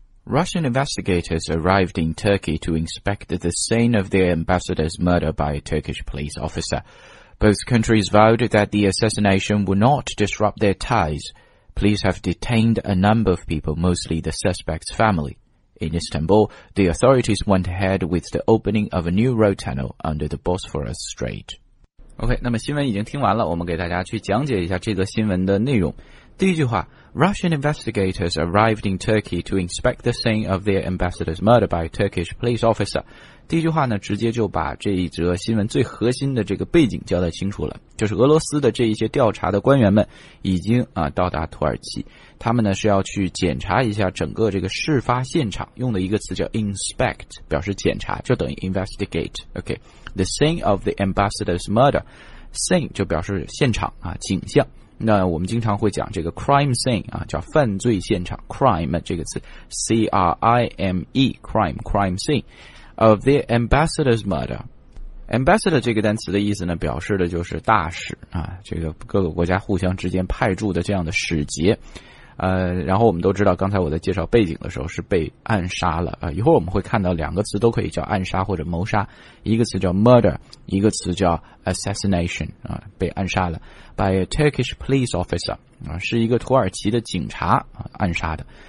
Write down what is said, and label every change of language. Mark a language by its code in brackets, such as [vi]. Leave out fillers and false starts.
[en] Russian investigators arrived in Turkey to inspect the scene of their ambassador's murder by a Turkish police officer. Both countries vowed that the assassination would not disrupt their ties. Police have detained a number of people, mostly the suspect's family. In Istanbul, the authorities went ahead with the opening of a new road tunnel under the Bosphorus Strait. [zh] OK, 那么新闻已经听完了，我们给大家去讲解一下这个新闻的内容。第一句话， [en] Russian investigators arrived in Turkey to inspect the scene of their ambassador's murder by a Turkish police officer. [zh] 第一句话呢，直接就把这一则新闻最核心的这个背景交代清楚了，就是俄罗斯的这一些调查的官员们已经啊到达土耳其，他们呢是要去检查一下整个这个事发现场，用的一个词叫 inspect， 表示检查，就等于 investigate。 OK， [en] the scene of the ambassador's murder， [zh] scene 就表示现场啊，景象。那我们经常会讲这个 crime scene 啊，叫犯罪现场 crime 这个词 [en] crime crime crime scene of the ambassador's murder。 [zh] ambassador 这个单词的意思呢，表示的就是大使啊，这个各个国家互相之间派驻的这样的使节。然后我们都知道，刚才我在介绍背景的时候是被暗杀了啊。一会儿我们会看到两个词都可以叫暗杀或者谋杀，一个词叫 murder， 一个词叫 assassination 啊，被暗杀了 [en] by a Turkish police officer [zh] 啊，是一个土耳其的警察啊暗杀的。